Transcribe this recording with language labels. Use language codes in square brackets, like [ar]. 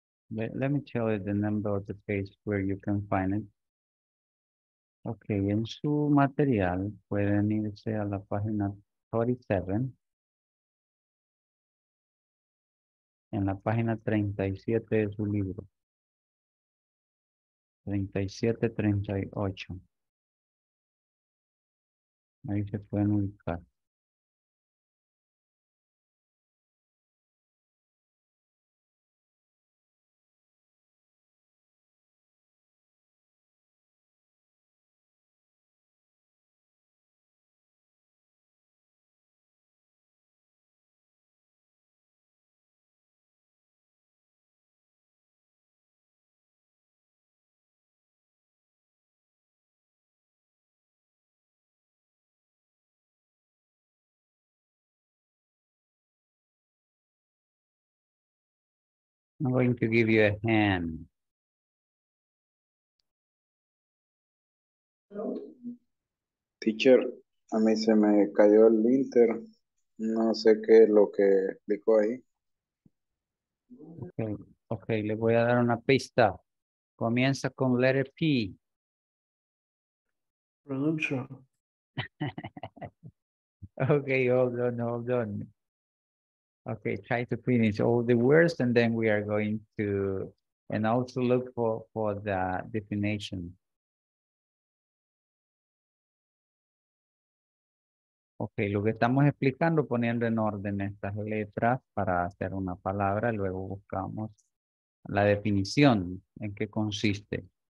[en] Let me tell you the number of the page where you can find it. [es] Okay, en su material pueden irse a la página 37. En la página 37 de su libro. 37, 38. Ahí se pueden ubicar. [en] I'm going to give you a hand. [es] Teacher, a mí se me cayó el inter. No sé qué es lo que explicó ahí. [en] Okay. [es] Okay, le voy a dar una pista. Comienza con letter P. [en] Production. Okay, hold on, hold on. Okay, try to finish all the words and then we are going to and also look for the definition. [es] Okay, lo que estamos explicando, poniendo en orden estas letras para hacer una palabra, luego buscamos la definición, en qué consiste.